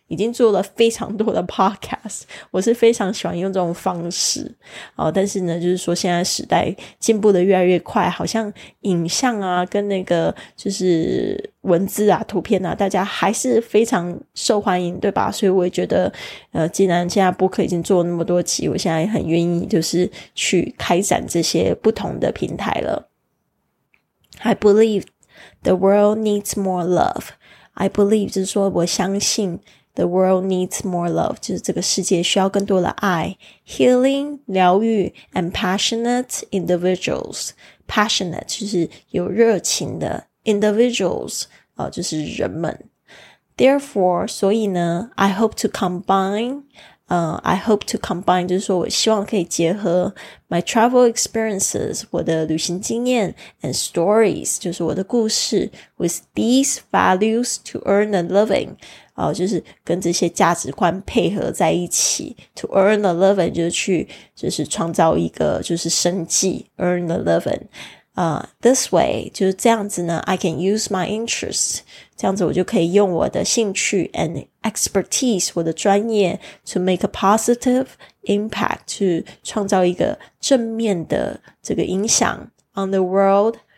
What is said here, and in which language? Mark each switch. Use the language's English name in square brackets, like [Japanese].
[Chinese] 已经做了非常多的 podcast， 我是非常喜欢用这种方式、哦、但是呢就是说现在时代进步的越来越快，好像影像啊跟那个就是文字啊图片啊大家还是非常受欢迎对吧，所以我也觉得既然现在播客已经做了那么多集，我现在很愿意就是去开展这些不同的平台了。 [English] I believe the world needs more love. [Chinese] I believe 就是说我相信 [English] The world needs more love， [Chinese] 就是这个世界需要更多的爱。 [English] Healing， [Chinese] 疗愈 [English] ，and passionate individuals。 [Chinese] Passionate 就是有热情的 individuals， 就是人们。 [English] Therefore， 所以呢 ，I hope to combine， I hope to combine [Chinese] 就是说我希望可以结合 [English] my travel experiences， [Chinese] 我的旅行经验 [English] and stories， [Chinese] 就是我的故事 [English] with these values to earn a living。 [Chinese] 就是跟这些价值观配合在一起 [English] to earn a living [Chinese] 就是去就是创造一个就是生计 earn a living、this way 就是这样子呢 [English] I can use my interest [Chinese] 这样子我就可以用我的兴趣 and expertise 我的专业 [English] to make a positive impact [Chinese] 去创造一个正面的这个影响 [English] on the world